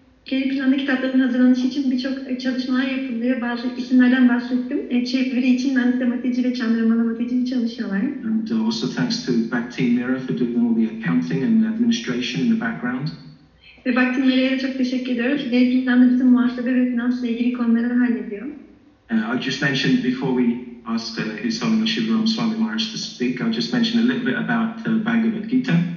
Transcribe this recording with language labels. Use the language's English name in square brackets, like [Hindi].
[Turkish] Geri planlı kitapların hazırlanışı için birçok çalışmalar yapılıyor. Bazı isimlerden bahsettim. Çeviri için Nandita Mataji ve Chandramala Mataji çalışıyorlar. [English] And also thanks to Bhakti Mira for doing all the accounting and administration in the background. [Turkish] Ve Bhakti Mira'ya çok teşekkür ediyoruz. Geri planlı bütün muhasebe ve finansla ilgili konuları hallediyor. [English] I just mentioned before we asked His Holiness Sri Ram Swami Maharaj to speak, I'll just mention a little bit about Bhagavad Gita.